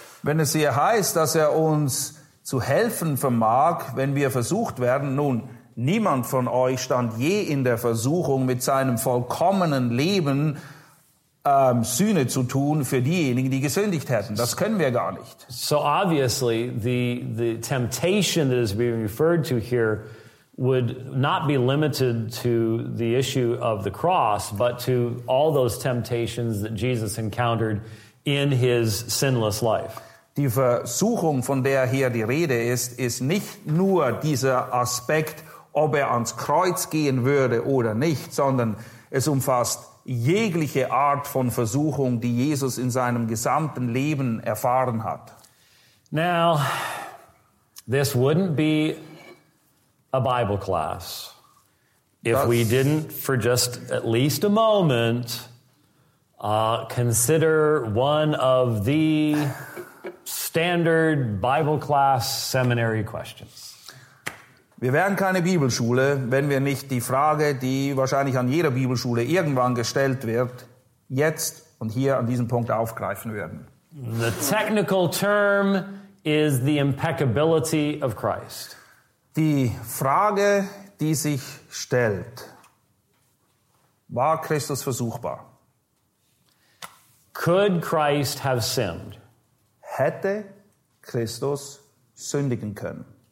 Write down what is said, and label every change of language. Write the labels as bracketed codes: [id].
[de] Wenn es hier heißt, dass er uns zu helfen vermag, wenn wir versucht werden, nun, niemand von euch stand je in der Versuchung, mit seinem vollkommenen Leben Sühne zu tun für diejenigen, die gesündigt hätten. Das können wir gar nicht. [en] So obviously, the temptation that is being referred to here would not be limited to the issue of the cross, but to all those temptations that Jesus encountered in his sinless life. [de] Die Versuchung, von der hier die Rede ist, ist nicht nur dieser Aspekt, ob er ans Kreuz gehen würde oder nicht, sondern es umfasst jegliche Art von Versuchung, die Jesus in seinem gesamten Leben erfahren hat. [en] Now, this wouldn't be a Bible class if we didn't for just at least a moment consider one of the standard Bible class seminary questions. [de] Wir wären keine Bibelschule, wenn wir nicht die Frage, die wahrscheinlich an jeder Bibelschule irgendwann gestellt wird, jetzt und hier an diesem Punkt aufgreifen würden. [en] The technical term is the impeccability of Christ. [de] Die Frage, die sich stellt, war Christus versuchbar? [en] Could Christ have sinned? [de] Hätte Christus sündigen können?